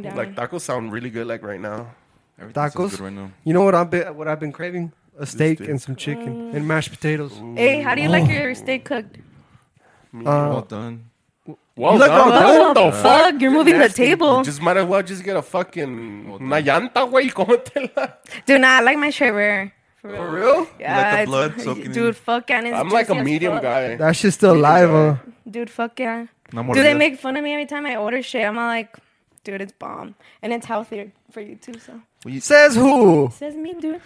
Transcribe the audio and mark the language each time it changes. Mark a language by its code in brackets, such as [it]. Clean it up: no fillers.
[en] Like, tacos sound really good, like, right now. Everything tacos? Good right now. You know what I've been craving? A steak and some chicken and mashed potatoes. Ooh. Hey, how do you like your steak cooked? Well done. Well done. What the fuck? You're moving the table. Just might as well just get a fucking... [es] Una llanta, güey, cómetela. [en] Do not like my shirt, wear. For real? Yeah. Like the blood soaking dude, in. Fuck yeah. I'm like a medium guy. That shit's still alive, huh? Dude, fuck yeah. Do they make fun of me every time I order shit? I'm all like, dude, it's bomb. And it's healthier for you, too, so. Says who? Says me, dude.